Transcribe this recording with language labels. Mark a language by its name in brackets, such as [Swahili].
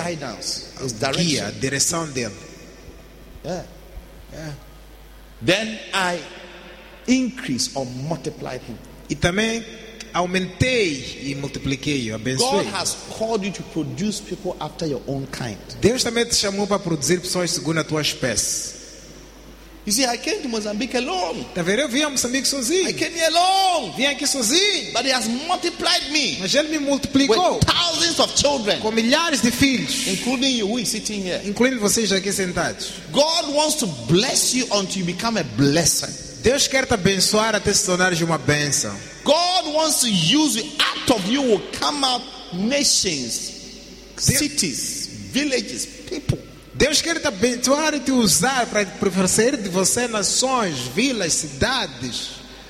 [English] Guidance, his direction. [Portuguese] Guia, direção dele. [English] Yeah. Yeah. Then I increase or multiply him. [Portuguese] E também aumentei e multipliquei, abençoei. [English] God has called you to produce people after your own kind. [Portuguese] Deus também te chamou para produzir pessoas segundo a tua espécie. [English] You see, I came to Mozambique alone. [Portuguese] Tá vendo? Eu vim a Moçambique sozinho. [English] I came here alone. [Portuguese] Vim aqui sozinho. [English] But he has multiplied me. [Portuguese] Mas ele me multiplicou. [English] With thousands of children. [Portuguese] Com milhares de filhos. [English] Including you, who is sitting here. [Portuguese] Incluindo vocês aqui sentados. [English] God wants to bless you until you become a blessing. [Portuguese] Deus quer te abençoar até se tornares uma bênção. [English] God wants to use you. Out of you will come out nations, cities, villages, people. [Portuguese] Deus quer te abençoar e te usar para fazer de você nações, vilas, cidades.